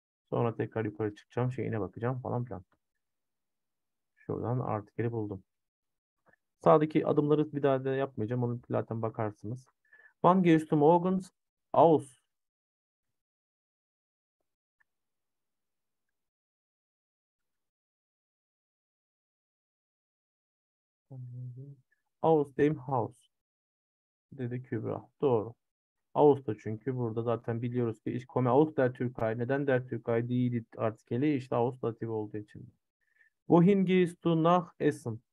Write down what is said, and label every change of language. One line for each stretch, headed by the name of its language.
Turkish: Sonra tekrar yukarı çıkacağım. Şeyine bakacağım falan filan. Şuradan artikeli buldum. Sağdaki adımları bir daha da yapmayacağım. Onu zaten bakarsınız.
German: Wann gehst du morgens aus? Aus dem Haus.
Turkish: Dedi Kübra. Doğru. Aus da çünkü burada zaten biliyoruz ki
German: ich komme aus der Türkei.
Turkish: Neden der Türkei değil artikeli? İşte Aus datif olduğu için.
German: Wohin gehst du nach Essen?